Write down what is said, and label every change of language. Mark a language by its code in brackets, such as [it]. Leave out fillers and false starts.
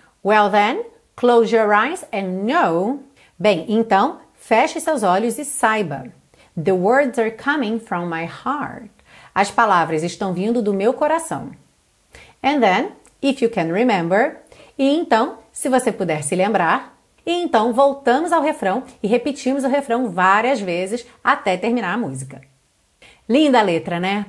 [en] Well then, close your eyes and know. [pt] Bem, então, feche seus olhos e saiba. [en] The words are coming from my heart. [pt] As palavras estão vindo do meu coração. [en] And then, if you can remember. [pt] E então, se você puder se lembrar. E então, voltamos ao refrão e repetimos o refrão várias vezes até terminar a música. Linda letra, né?